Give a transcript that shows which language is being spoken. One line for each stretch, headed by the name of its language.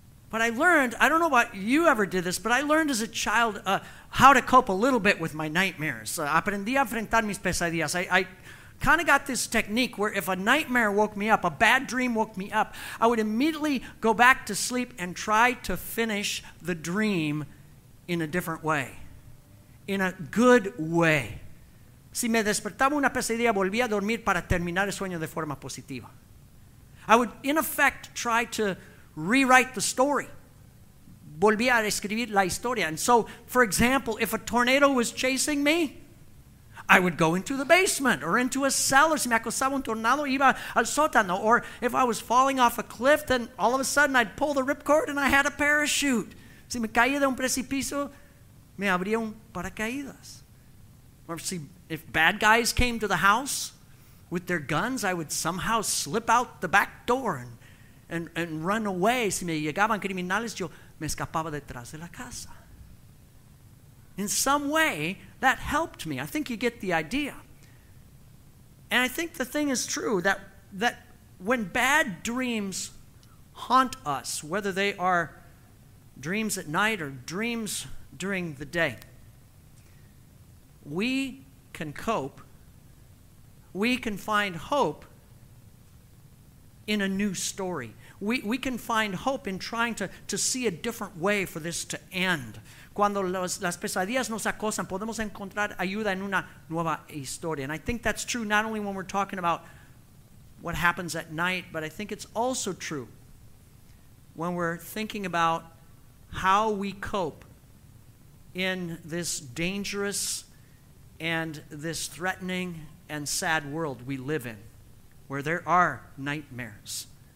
English: But I learned, I don't know about you ever did this, but I learned as a child how to cope a little bit with my nightmares.
Spanish: Aprendí a enfrentar mis pesadillas.
English: I kind of got this technique where if a nightmare woke me up, a bad dream woke me up, I would immediately go back to sleep and try to finish the dream in a different way, in a good way.
Spanish: Si me despertaba una pesadilla, volvía a dormir para terminar el sueño de forma positiva.
English: I would, in effect, try to rewrite the story.
Spanish: Volvía a escribir la historia.
English: And so, for example, if a tornado was chasing me, I would go into the basement or into a cellar.
Spanish: Si me acosaba un tornado, iba al sótano.
English: Or if I was falling off a cliff, then all of a sudden I'd pull the ripcord and I had a parachute.
Spanish: Si me caía de un precipicio, me abría un paracaídas.
English: Or if bad guys came to the house with their guns, I would somehow slip out the back door and run away.
Spanish: Si me llegaban criminales, yo me escapaba detrás de la casa.
English: In some way, that helped me. I think you get the idea. And I think the thing is true that when bad dreams haunt us, whether they are dreams at night or dreams during the day, we can cope. We can find hope in a new story. We can find hope in trying to see a different way for this to end.
Spanish: Cuando las pesadillas nos acosan, podemos encontrar ayuda en una nueva historia.
English: And I think that's true not only when we're talking about what happens at night, but I think it's also true when we're thinking about how we cope in this dangerous and this threatening and sad world we live in, where there are nightmares.